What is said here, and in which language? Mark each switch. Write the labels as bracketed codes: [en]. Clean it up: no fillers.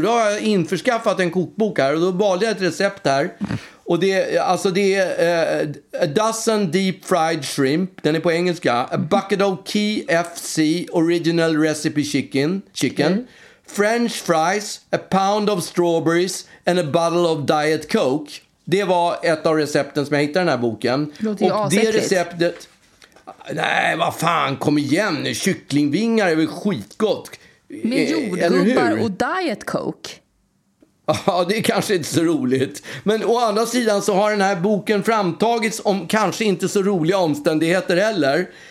[sv] Då har jag införskaffat en kokbok här och då valde jag ett recept här. Och det är, alltså det är [en] a dozen deep fried shrimp. [sv] Den är på engelska. [en] A bucket of KFC original recipe chicken. French fries, a pound of strawberries and a bottle of Diet Coke. [sv] Det var ett av recepten som jag hittade i den här boken. Låter och det receptet... Nej, vad fan, kom igen nu. Kycklingvingar är väl skitgott. Med jordgubbar och Diet Coke. Ja, det är kanske inte så roligt. Men å andra sidan så har den här boken framtagits om kanske inte så roliga omständigheter heller.